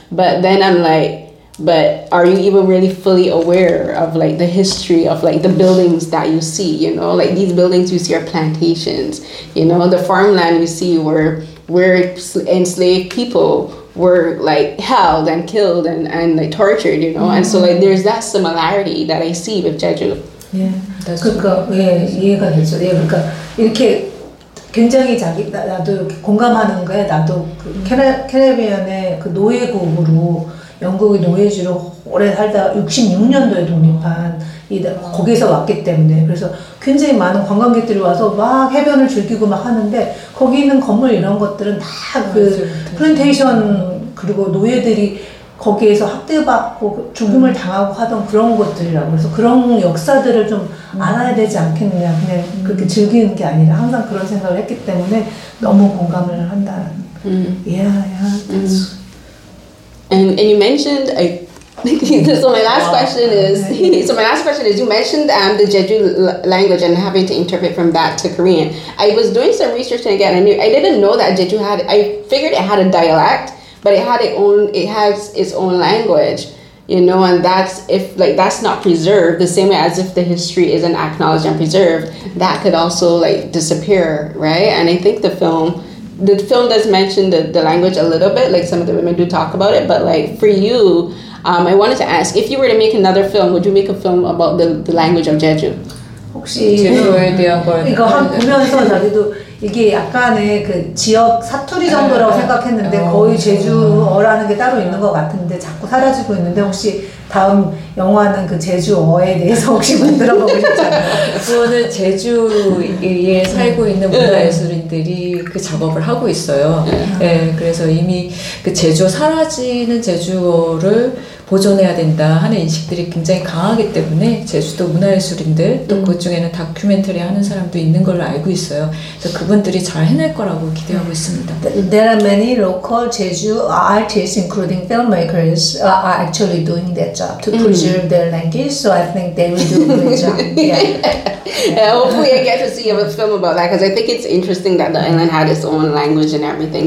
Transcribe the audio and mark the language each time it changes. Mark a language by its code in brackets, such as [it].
[en] But then I'm like, but are you even really fully aware of like the history of like the buildings that you see, you know, like these buildings you see are plantations, you know, the farmland you see where enslaved people were like held and killed and like tortured, you know. And so like there's that similarity that I see with Jeju. Yeah, that's [ko] 그러니까 예 이해가 됐어. 예, 그러니까 이렇게 굉장히 자기 나도 이렇게 공감하는 거야. 나도 그 캐리비안의 그 노예국으로 영국의 노예지로 오래 살다 66년도에 독립한 거기서 왔기 때문에 그래서 굉장히 많은 관광객들이 와서 막 해변을 즐기고 막 하는데 거기 있는 건물 이런 것들은 다 그 플랜테이션 그리고 노예들이 거기에서 학대받고 죽임을 당하고 하던 그런 것들이라고 그래서 그런 역사들을 좀 알아야 되지 않겠느냐 그냥 그렇게 즐기는 게 아니라 항상 그런 생각을 했기 때문에 너무 공감을 한다. [en] And you mentioned so my last question is you mentioned the Jeju language and having to interpret from that to Korean. I was doing some research, and again I didn't know that Jeju had, I figured it had a dialect, but it has its own language, you know, and that's if like that's not preserved the same way as if the history isn't acknowledged and preserved, that could also like disappear, right? And I think the film does mention the language a little bit, like some of the women do talk about it, but like for you, I wanted to ask, if you were to make another film, would you make a film about the language of Jeju? [ko] 혹시 제주에 대한 거 이거 한 보면서 자기도 이게 약간의 그 지역 사투리 정도라고 생각했는데 거의 제주어라는 게 따로 있는 것 같은데 자꾸 사라지고 있는데 혹시 다음 영화는 그 제주어에 대해서 혹시 만들어보고 싶잖아요. 그거는 제주에 살고 있는 문화예술인들이 그 작업을 하고 있어요. 네, 그래서 이미 그 제주어 사라지는 제주어를 보존해야 된다 하는 인식들이 굉장히 강하기 때문에 제주도 문화예술인들 또 그중에는 다큐멘터리 하는 사람도 있는 걸로 알고 있어요. 그래서 그분들이 잘 해낼 거라고 기대하고 있습니다. [en] There are many local Jeju artists, including filmmakers, are actually doing that job to preserve their language. So I think they will do a good job. Yeah. Hopefully, I get to see a film about that because I think it's interesting that the island had its own language and everything.